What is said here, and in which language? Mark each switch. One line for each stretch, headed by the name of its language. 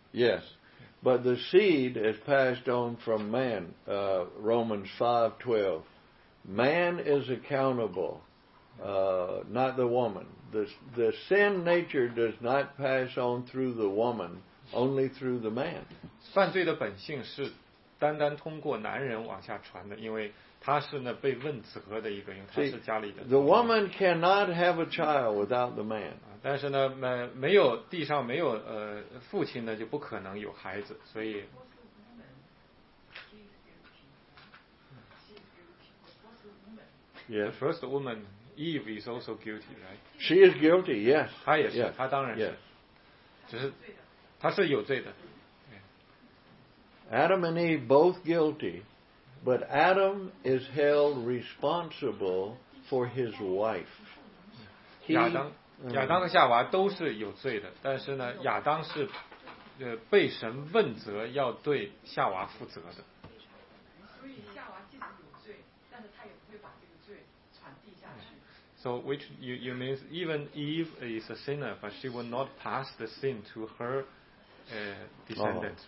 English: Yes, but the seed is passed on from man, Romans 5:12. Man is accountable, not the woman. The sin nature does not pass on through the woman, only through the man.
Chinese: 犯罪的本性是单单通过男人往下传的，因为他是那被问责的一个，因为他是家里的。
English: See, the woman cannot have a child without the man.
Chinese: 但是呢，没有地上没有父亲呢，就不可能有孩子。所以
English: ，Yes, first woman Eve is also guilty, right? She is guilty. Yes.
Chinese: 她也是，
English: yes.
Chinese: 她当然是，
English: yes.
Chinese: 只是她是有罪的。
English: Adam and Eve both guilty. But Adam is held responsible for his wife.
Chinese: 亚当和夏娃都是有罪的，但是呢，亚当是被神问责，要对夏娃负责的。所以夏娃既然有罪，但是他也不会把这个罪传递下去。
English: So which you mean even Eve is a sinner, but she will not pass the sin to her descendant,